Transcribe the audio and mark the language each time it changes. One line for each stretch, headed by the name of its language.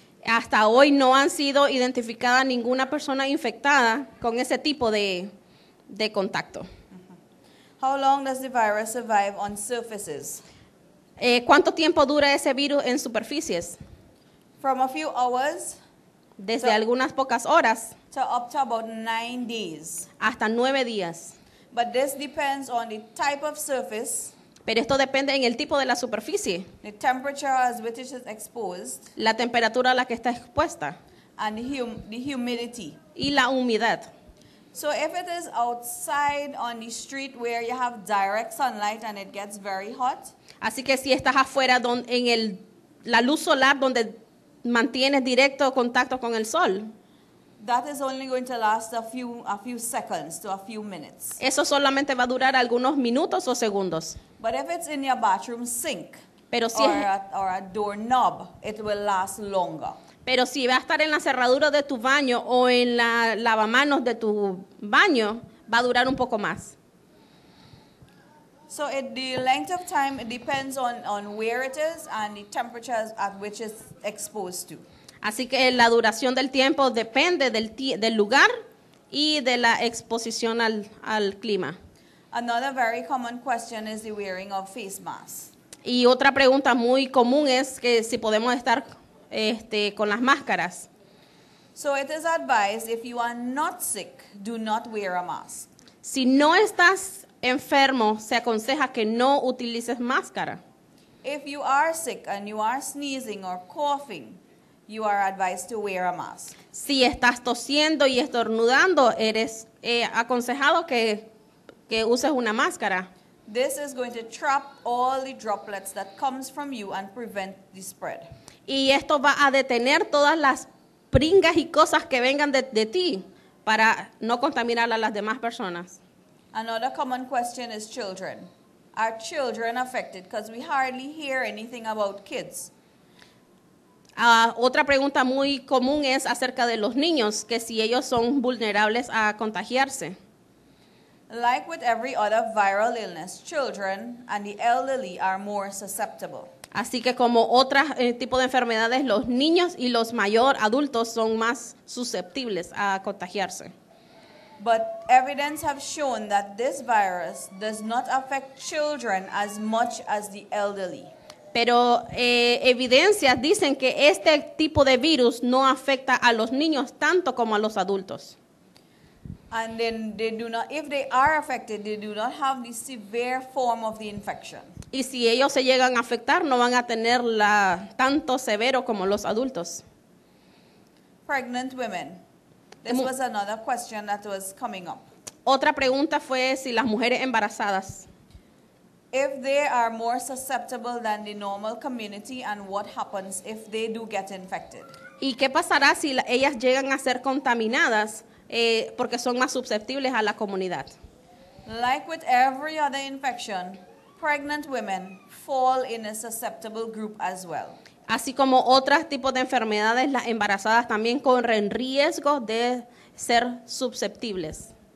Spanish: Hasta hoy no han sido identificada ninguna persona infectada con ese tipo de contacto.
English: How long does the virus survive on surfaces?
Spanish: ¿Cuánto tiempo dura ese virus en superficies?
English: From a few hours.
Spanish: Desde algunas pocas horas.
English: To up to about 9 days.
Spanish: Hasta 9 días.
English: But this depends on the type of surface.
Spanish: Pero esto depende en el tipo de la superficie.
English: The temperature at which it is exposed.
Spanish: La temperatura a la que está expuesta.
English: And the humidity.
Spanish: Y la humedad.
English: So if it is outside on the street where you have direct sunlight and it gets very hot.
Spanish: Así que si estás afuera en la luz solar donde mantienes directo contacto con el sol.
English: That is only going to last a few seconds to a few minutes.
Spanish: Eso solamente va a durar algunos minutos o segundos.
English: But if it's in your bathroom sink,
Spanish: pero si
English: or a doorknob, it will last longer.
Spanish: Pero si va a estar en la cerradura de tu baño o en la lavamanos de tu baño, va a durar un poco más.
English: So the length of time depends on where it is and the temperatures at which it's exposed to.
Spanish: Así que la duración del tiempo depende del lugar y de la exposición al clima.
English: Another very common question is the wearing of face masks.
Spanish: Y otra pregunta muy común es que si podemos estar con las máscaras.
English: So it is advised if you are not sick, do not wear a mask.
Spanish: Si no estás enfermo, se aconseja que no utilices máscara.
English: If you are sick and you are sneezing or coughing, you are advised to wear a mask.
Spanish: Si estás tosiendo y estornudando, eres aconsejado que uses una máscara.
English: This is going to trap all the droplets that comes from you and prevent the spread.
Spanish: Y esto va a detener todas las pringas y cosas que vengan de ti para no contaminar a las demás personas.
English: Another common question is children. Are children affected? Because we hardly hear anything about kids.
Spanish: Otra pregunta muy común es acerca de los niños, que si ellos son vulnerables a contagiarse.
English: Like with every other viral illness, children and the elderly are more susceptible.
Spanish: Así que como otros tipos de enfermedades, los niños y los mayores adultos son más susceptibles a contagiarse.
English: But evidence have shown that this virus does not affect children as much as the elderly.
Spanish: Pero evidencias dicen que este tipo de virus no afecta a los niños tanto como a los adultos.
English: And then they do not, if they are affected, they do not have the severe form of the infection.
Spanish: Y si ellos se llegan a afectar, no van a tener la tanto severo como los adultos.
English: Pregnant women. This was another question that was coming up.
Spanish: Otra pregunta fue si las mujeres embarazadas.
English: If they are more susceptible than the normal community and what happens if they do get infected.
Spanish: ¿Y qué pasará si ellas llegan a ser contaminadas porque son más susceptibles a la comunidad?
English: Like with every other infection, pregnant women fall in a susceptible group as well.
Spanish: Así como otros tipos de enfermedades, las embarazadas también corren riesgo de ser susceptibles.